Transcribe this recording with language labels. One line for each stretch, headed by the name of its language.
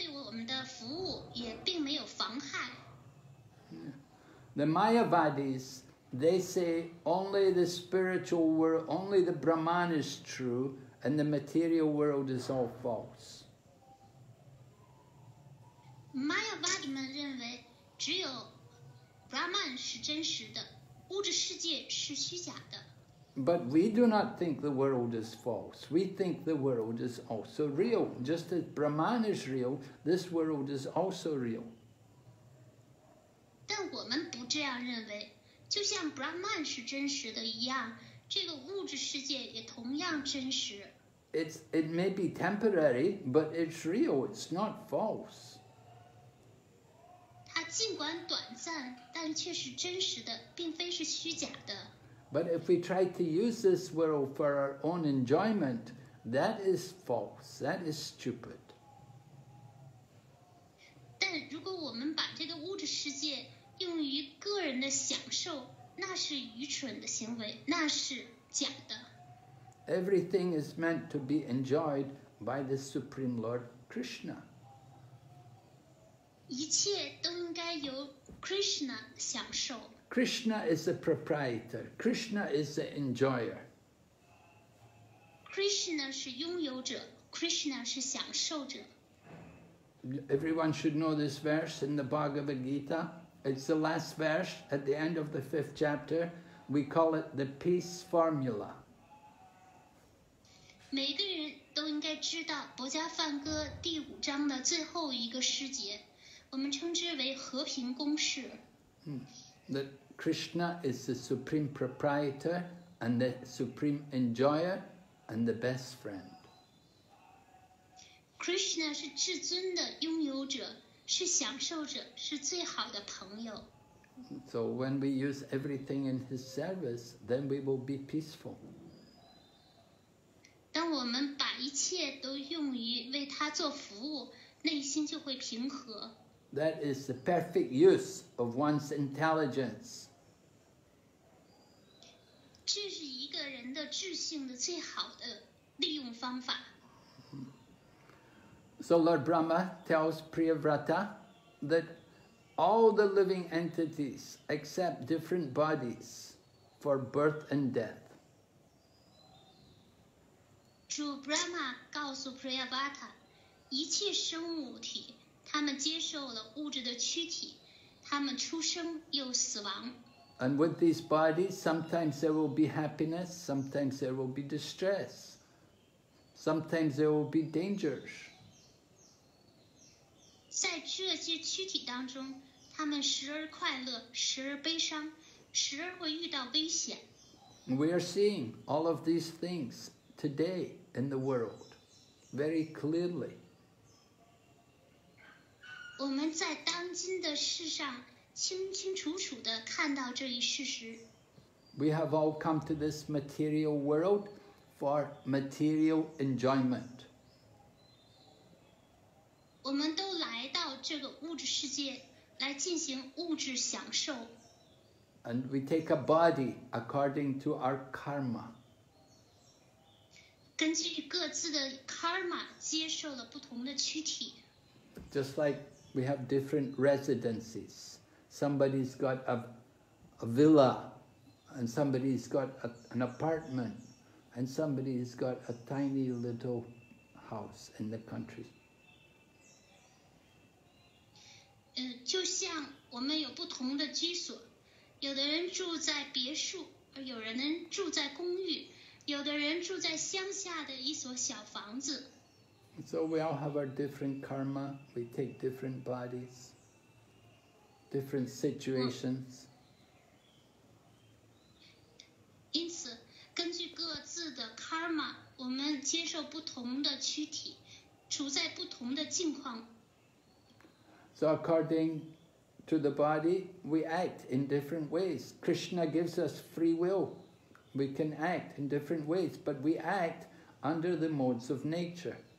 Chinese: 成为一名居士，当上并不是个问题，也并对我们的服务也并没有妨害。
English: The Mayavadis, they say only the spiritual world, only the Brahman is true, and the material world is all false.
Chinese: Mayavadi 们认为只有 Brahman 是真实的，物质世界是虚假的。
English: But we do not think the world is false. We think the world is also real. Just as Brahman is real, this world is also real.
Chinese: 但我们不这样认为，就像 Brahman 是真实的一样，这个物质世界也同样真实。
English: It may be temporary, but it's real. It's not false.
Chinese: 它尽管短暂，但却是真实的，并非是虚假的。
English: But if we try to use this world for our own enjoyment, that is false. That is stupid.
Chinese: 但如果我们把这个物质世界用于个人的享受，那是愚蠢的行为，那是假的。
English: Everything is meant to be enjoyed by the Supreme Lord Krishna.
Chinese: 一切都应该由 Krishna 享受。
English: Krishna is the proprietor. Krishna is the enjoyer.
Chinese: Krishna 是拥有者， Krishna 是享受者。
English: Everyone should know this verse in the Bhagavad Gita. It's the last verse at the end of the fifth chapter. We call it the peace formula.
Chinese: 每个人都应该知道《薄伽梵歌》第五章的最后一个诗节，我们称之为和平公式。
English: That Krishna is the supreme proprietor and the supreme enjoyer and the best friend.
Chinese: Krishna 是至尊的拥有者，是享受者，是最好的朋友。
English: So when we use everything in his service, then we will be peaceful.
Chinese: 当我们把一切都用于为他做服务，内心就会平和。
English: That is the perfect use of one's intelligence.
Chinese: 这是一个人的智性的最好的利用方法。
English: So Lord Brahma tells Priyavrata that all the living entities accept different bodies for birth and death.
Chinese: 主 Brahma 告诉 Priyavrata， 一切生物体他们接受了物质的躯体，他们出生又死亡。
English: And with these bodies, sometimes there will be happiness, sometimes there will be distress, sometimes there will be dangers.
Chinese: 在这些躯体当中，他们时而快乐，时而悲伤，时而会遇到危险。
English: We are seeing all of these things today in the world very clearly.
Chinese: 我们在当今的世上清清楚楚地看到这一事实。
English: We have all come to this material world for material enjoyment.
Chinese: 我们都来到这个物质世界来进行物质享受。
English: And we take a body according to our karma.
Chinese: 根据各自的 karma 接受了不同的躯体。
English: Just like we have different residences. Somebody's got a villa, and somebody's got an apartment, and somebody's got a tiny little house in the country.
Chinese: 就像我们有不同的居所，有的人住在别墅，有人住在公寓，有的人住在乡下的一所小房子。
English: So we all have our different karma. We take different bodies, different situations.
Chinese: 因此，根据各自的 karma， 我们接受不同的躯体，处在不同的境况。
English: So according to the body, we act in different ways. Krishna gives us free will. We can act in different ways, but we act under the modes of nature.